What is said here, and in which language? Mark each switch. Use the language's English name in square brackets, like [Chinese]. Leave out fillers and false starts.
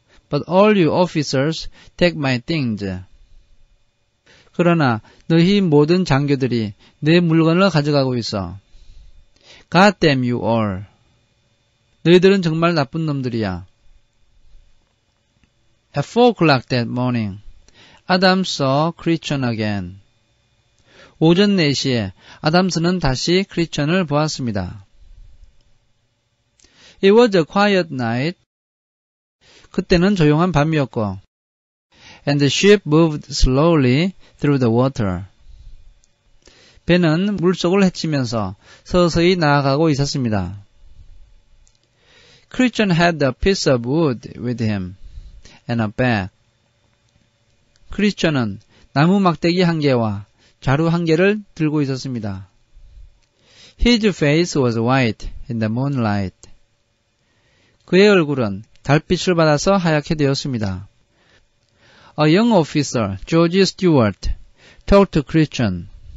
[English] But all you officers take my things. [Korean] 그러나 너희 모든 장교들이 내 물건을 가져가고 있어. [English] God damn you all. [Korean] 너희들은 정말 나쁜 놈들이야. [English] At 4 o'clock that morning, Adam saw Christian again. [Korean] 오전 4시에 아담스는 다시 크리스천을 보았습니다. [English] It was a quiet night. [Korean] 그때는 조용한 밤이었고, [English] And the ship moved slowly through the water. [Korean] 배는 물속을 헤치면서 서서히 나아가고 있었습니다. [English] Christian had a piece of wood with him and a bag. [Korean] 크리스천은 나무 막대기 한 개와 자루 한 개를 들고 있었습니다. [English] His face was white in the moonlight. [Korean] 그의 얼굴은 달빛을 받아서 하얗게 되었습니다. [English] A young officer, George Stewart, talked to Christian.